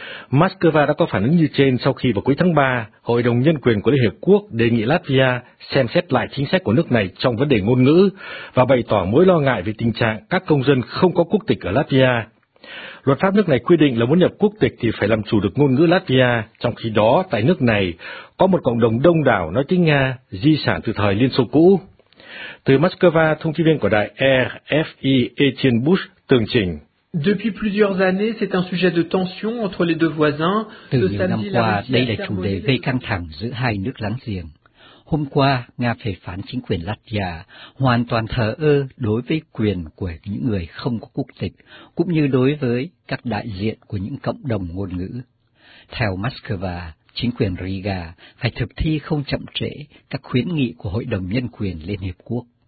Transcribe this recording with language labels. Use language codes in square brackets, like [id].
[vi] Moscow đã có phản ứng như trên sau khi vào cuối tháng 3, Hội đồng Nhân quyền của Liên Hiệp Quốc đề nghị Latvia xem xét lại chính sách của nước này trong vấn đề ngôn ngữ và bày tỏ mối lo ngại về tình trạng các công dân không có quốc tịch ở Latvia. Luật pháp nước này quy định là muốn nhập quốc tịch thì phải làm chủ được ngôn ngữ Latvia, trong khi đó tại nước này có một cộng đồng đông đảo nói tiếng Nga, di sản từ thời Liên Xô cũ. Từ Moscow, thông tin viên của đài RFI Etienne Bush tường trình. [fr] Depuis plusieurs années, c'est un sujet de tension entre les deux voisins. [vi] Từ nhiều năm qua, đây là chủ đề gây căng thẳng giữa hai nước láng giềng. Hôm qua, Nga phê phán chính quyền Latvia hoàn toàn thờ ơ đối với quyền của những người không có quốc tịch, cũng như đối với các đại diện của những cộng đồng ngôn ngữ. Theo Moscow, chính quyền Riga phải thực thi không chậm trễ các khuyến nghị của Hội đồng Nhân quyền Liên Hiệp Quốc.